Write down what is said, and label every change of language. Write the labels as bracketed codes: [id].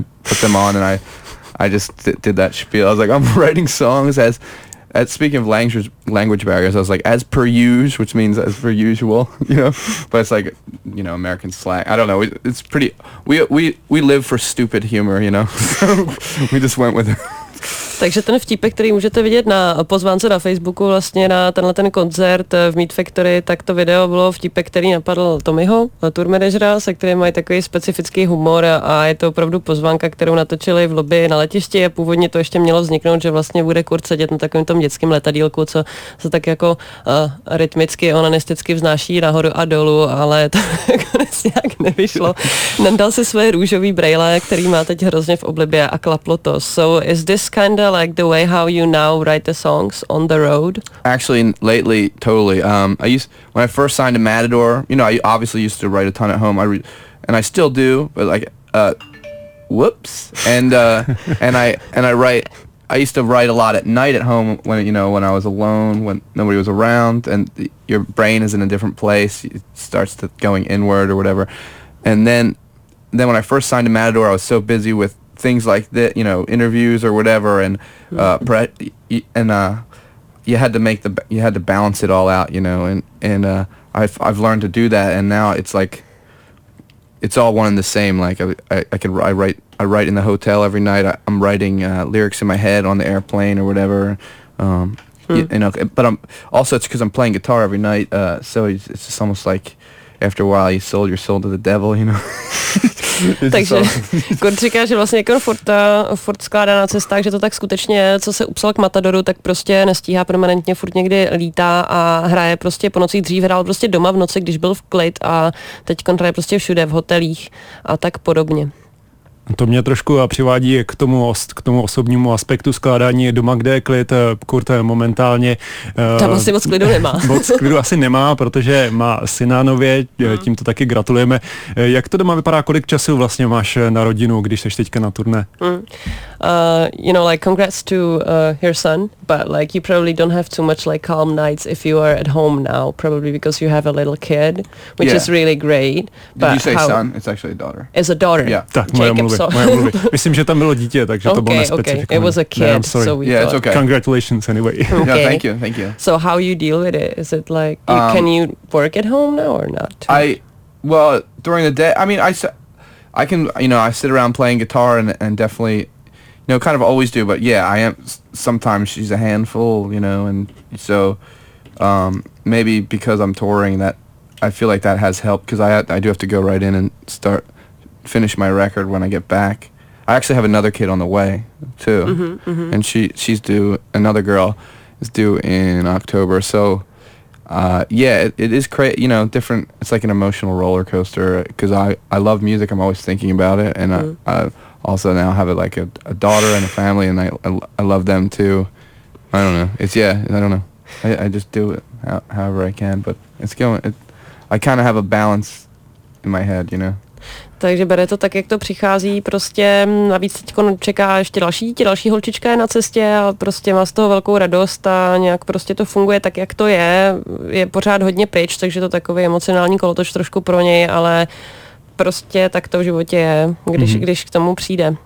[en] I put them on and I just did that spiel. I was like, I'm writing songs as speaking of language barriers. I was like, as per use, which means as per usual, you know, but it's like, you know, American slang. I don't know. It's pretty. We live for stupid humor, you know, we just went with it. [cs] Takže ten vtípek, který můžete vidět na pozvánce na Facebooku, vlastně na tenhle ten koncert v Meet Factory, tak to video bylo vtípek, který napadl Tommyho, tour manažera, se kterým mají takový specifický humor a je to opravdu pozvánka, kterou natočili v lobby na letišti a původně to ještě mělo vzniknout, že vlastně bude Kurt sedět na takovém tom dětském letadílku, co se tak jako rytmicky, onanisticky vznáší nahoru a dolů, ale to konec nějak nevyšlo. Nandal si svoje růžový brejle, který má teď hrozně v oblibě a klaplo to. [en] So is this kind like the way how you now write the songs on the road? Actually, lately, totally. When I first signed to Matador, you know, I obviously used to write a ton at home. And I still do, but like, whoops. And I used to write a lot at night at home when, you know, when I was alone, when nobody was around, and your brain is in a different place. It starts to going inward or whatever. And then when I first signed to Matador, I was so busy with things like that, you know, interviews or whatever, and you had to balance it all out, you know, and I've learned to do that, and now it's like it's all one and the same. Like I write in the hotel every night. I'm writing lyrics in my head on the airplane or whatever, but I'm also, it's because I'm playing guitar every night, so it's just almost like after a while you sold your soul to the devil, you know. [cs] Takže Kurt říká, že vlastně jako furt skládá na cestách, že to tak skutečně je, co se upsal k Matadoru, tak prostě nestíhá permanentně, furt někdy lítá a hraje prostě po nocích. Dřív hrál prostě doma v noci, když byl v klid, a teď hraje prostě všude, v hotelích a tak podobně. To mě trošku přivádí k tomu osobnímu aspektu skládání doma, kde je klid. Kurt momentálně... Tam asi moc klidu nemá. Moc klidu asi nemá, protože má syna nově, tímto taky gratulujeme. Jak to doma vypadá, kolik času vlastně máš na rodinu, když jsi teďka na turné? [en] You know, like, congrats to your son, but like, you probably don't have too much like calm nights if you are at home now, probably because you have a little kid, which is really great. Did but you say how son? It's actually a daughter. It's a daughter. Yeah. [cs] Tak, moje mluvy. Myslím, že tam bylo dítě, takže to bylo nespecifikované. [en] Okay, it was a kid, yeah, so we thought. Yeah, it's okay. Congratulations anyway. Okay. No, thank you. So how you deal with it? Is it like, can you work at home now or not? During the day, I mean, I can, you know, I sit around playing guitar and definitely... No, kind of always do, but yeah, I am. Sometimes she's a handful, you know, and so maybe because I'm touring, that I feel like that has helped, because I do have to go right in and start finish my record when I get back. I actually have another kid on the way too, and she's due, another girl is due in October. So yeah, it is crazy, you know, different. It's like an emotional roller coaster because I love music. I'm always thinking about it, and I also now have like a daughter and a family, and I love them too. I don't know. It's I don't know. I just do it however I can, but it's going. I kind of have a balance in my head, you know. [cs] Takže bere to tak, jak to přichází, prostě navíc teďko čeká ještě další holčička je na cestě a prostě má z toho velkou radost a nějak prostě to funguje tak, jak to je. Je pořád hodně pryč, takže to takový emocionální kolotoč trošku pro něj, ale prostě tak to v životě je, když, když k tomu přijde.